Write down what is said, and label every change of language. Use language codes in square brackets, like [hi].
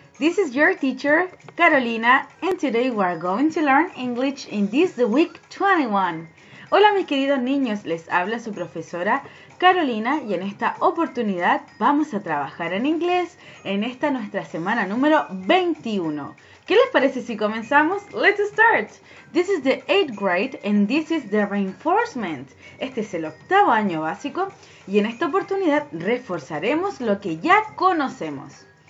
[en] This is your teacher, Carolina, and today we are going to learn English in this week 21. [es] Hola, mis queridos niños, les habla su profesora Carolina y en esta oportunidad vamos a trabajar en inglés en esta nuestra semana número 21. ¿Qué les parece si comenzamos? [en] Let's start. This is the 8th grade and this is the reinforcement. [es] Este es el octavo año básico y en esta oportunidad reforzaremos lo que ya conocemos.